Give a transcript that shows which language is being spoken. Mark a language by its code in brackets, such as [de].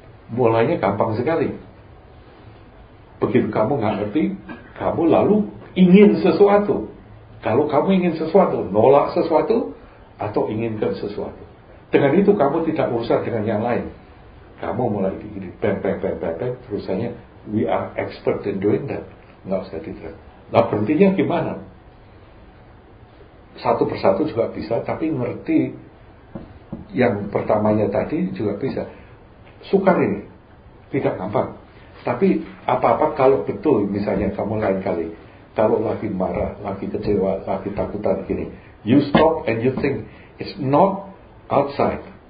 [id] Mulainya gampang sekali. Begitu kamu nggak ngerti, kamu lalu ingin sesuatu. Kalau kamu ingin sesuatu, nolak sesuatu atau inginkan sesuatu. Dengan itu kamu tidak urusan dengan yang lain. Kamu mulai ini, bang, terusannya, [en] we are expert in doing that. [id] Nggak usah diterang. Nah, berhentinya gimana? Satu persatu juga bisa, tapi ngerti yang pertamanya tadi juga bisa. Sukar ini, tidak gampang. Tapi apa-apa kalau betul, misalnya kamu lain kali, kalau lagi marah, lagi kecewa, lagi takutan gini, [en] you stop and you think, it's not outside.